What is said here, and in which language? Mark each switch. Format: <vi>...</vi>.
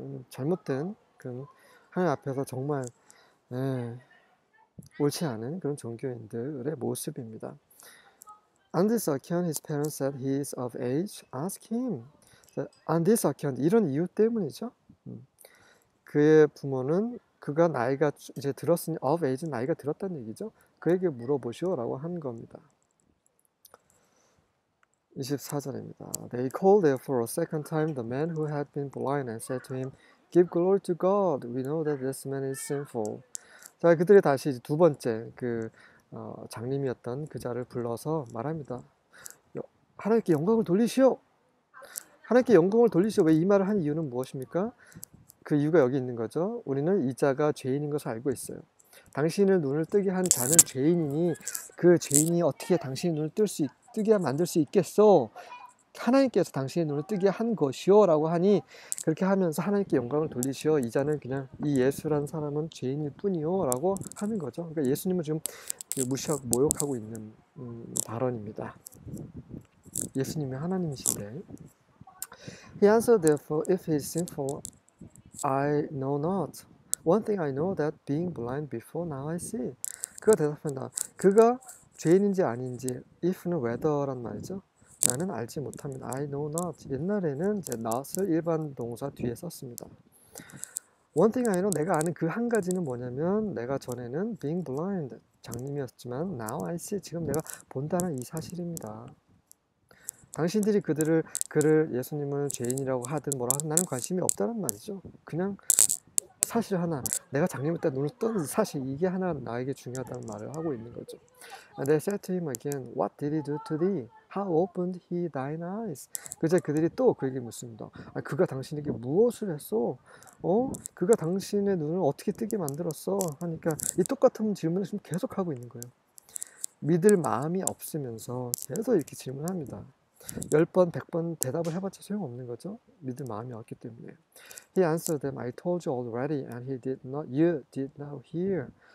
<ko>잘못된 그런 하나님 앞에서 정말 옳지 않은 그런 종교인들의 모습입니다.</ko> <en>On this account, his parents said he is of age. Ask him. On this account,</en> <ko>이런 이유 때문이죠. 그의 부모는 그가 나이가 이제 들었으니,</ko> <en>of age,</en> <ko>나이가 들었다는 얘기죠. 그에게 물어보시오라고 한 겁니다. 24절입니다.</ko> <en>They called therefore a second time the man who had been blind and said to him, Give glory to God. We know that this man is sinful.</en> <ko>자, 그들이 다시 이제 두 번째 그 장님이었던 그 자를 불러서 말합니다. 하나님께 영광을 돌리시오. 하나님께 영광을 돌리시오. 왜이 말을 한 이유는 무엇입니까? 그 이유가 여기 있는 거죠. 우리는 이 자가 죄인인 것을 알고 있어요. 당신을 눈을 뜨게 한 자는 죄인이니 그 죄인이 어떻게 당신이 눈을 뜨게 만들 수 있겠소? 하나님께서 당신의 눈을 뜨게 한 것이요라고 하니 그렇게 하면서 하나님께 영광을 돌리시오. 이 자는 그냥 이 예수란 사람은 죄인일 뿐이요라고 하는 거죠. 그러니까 예수님을 지금 무시하고 모욕하고 있는 발언입니다. 예수님이 하나님이신데.</ko> <en>He answered, therefore, if he is sinful, I know not. One thing I know that being blind before, now I see.</en> <ko>그가 대답한다. 그가 죄인인지 아닌지, if는 whether란 말이죠. 나는 알지 못합니다.</ko> <en>I know not.</en> <ko>옛날에는 이제 not을 일반 동사 뒤에 썼습니다.</ko> <en>One thing I know,</en> <ko>내가 아는 그한 가지는 뭐냐면, 내가 전에는</ko> <en>being blind,</en> <ko>장님이었지만,</ko> <en>now I see.</en> <ko>지금 내가 본다는 이 사실입니다. 당신들이 그를 예수님을 죄인이라고 하든 뭐라 하든 나는 관심이 없다는 말이죠. 그냥 사실 하나, 내가 장님 때 눈을 떴는 사실 이게 하나 나에게 중요하다는 말을 하고 있는 거죠.</ko> <en>And they said to him again, What did he do to thee? How opened he thine eyes?</en> <ko>그제 그들이 또 그에게 묻습니다. 아, 그가 당신에게 무엇을 했소? 그가 당신의 눈을 어떻게 뜨게 만들었어? 하니까 이 똑같은 질문을 지금 계속 하고 있는 거예요. 믿을 마음이 없으면서 계속 이렇게 질문합니다. 10번, 100번 대답을 해봤자 소용없는 거죠. 믿을 마음이 없기 때문에.</ko> <en>He answered them, I told you already, and he did not, you did not hear.</en>